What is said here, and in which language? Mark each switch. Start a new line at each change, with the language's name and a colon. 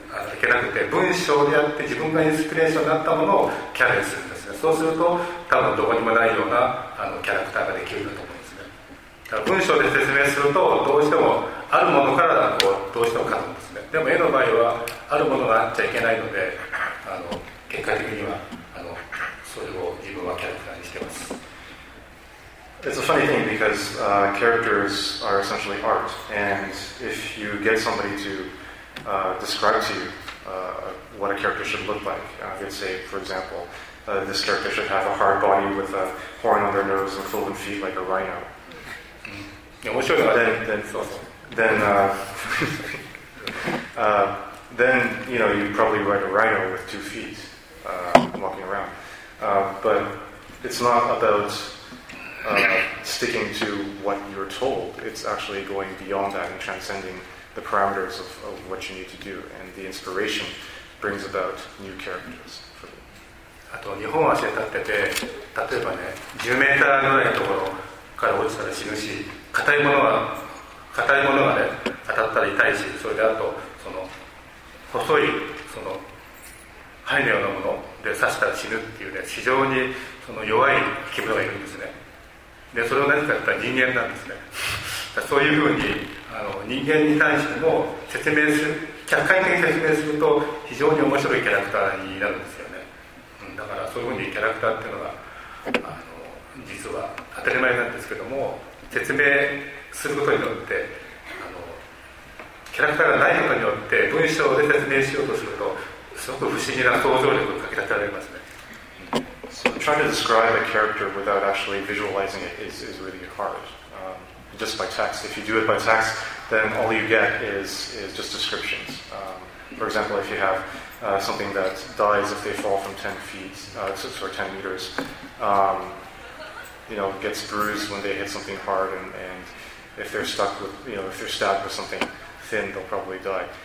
Japanese: いけなくて、文章であって自分がインスピレーションになったものをキャラにするんですね。そうすると、多分どこにもないようなキャラクターができるんだと思うんですね。だから文章で説明すると、どうしてもあるものからこうどうしても書くんですね。でも絵の場合は、あるものがあっちゃいけないので、結果的にはそれを自分はキャラクターにしてます。
English: It's a funny thing because characters are essentially art, and if you get somebody to describe to you what a character should look like, you'd say, for example, this character should have a hard body with a horn on their nose and cloven feet like a rhino. Then you know, you'd probably write a rhino with two feet walking around. But it's not about sticking to what you're told. It's actually going beyond that and transcending the parameters of what you need to do. And the inspiration brings about new characters. For
Japanese: あと日本足で立ってて、例えばね、10メーターぐらいのところから落ちたら死ぬし、硬いものがね、当たったら痛いし、それであとその細いその針のようなもので刺したら死ぬっていうね、非常にその弱い生き物がいるんですね。でそれを何かって言ったら人間なんですね。そういうふうにあの人間に対しても説明する、客観的に説明すると非常に面白いキャラクターになるんですよね、うん、だからそういうふうにキャラクターっていうのがあの実は当たり前なんですけども、説明することによってあのキャラクターがないことによって文章で説明しようとするとすごく不思議な想像力をかき立てられますね。
English: So trying to describe a character without actually visualizing it is really hard. Just by text. If you do it by text, then all you get is just descriptions. For example, if you have something that dies if they fall from 10 meters, you know, gets bruised when they hit something hard, and if they're stuck with, you know, if they're stabbed with something thin, they'll probably die.